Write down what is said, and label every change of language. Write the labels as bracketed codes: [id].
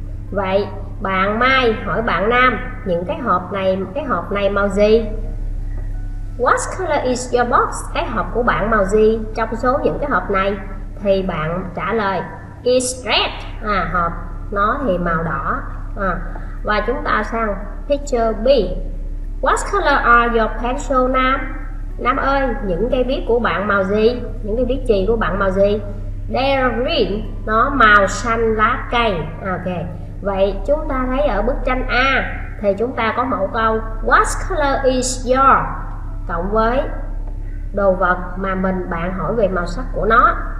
[vi] Vậy bạn Mai hỏi bạn Nam những cái hộp này màu gì? [en] What color is your box? [vi] Cái hộp của bạn màu gì trong số những cái hộp này? Thì bạn trả lời [en] It's red. [vi] À, hộp nó thì màu đỏ. À, và chúng ta sang picture B. [en] What color are your pencil, Nam? [vi] Nam ơi, những cây viết của bạn màu gì? Những cây viết chì của bạn màu gì? [en] They're green. [vi] Nó màu xanh lá cây. Ok. Vậy chúng ta thấy ở bức tranh A thì chúng ta có mẫu câu [en] What color is your? [vi] Cộng với đồ vật mà bạn hỏi về màu sắc của nó.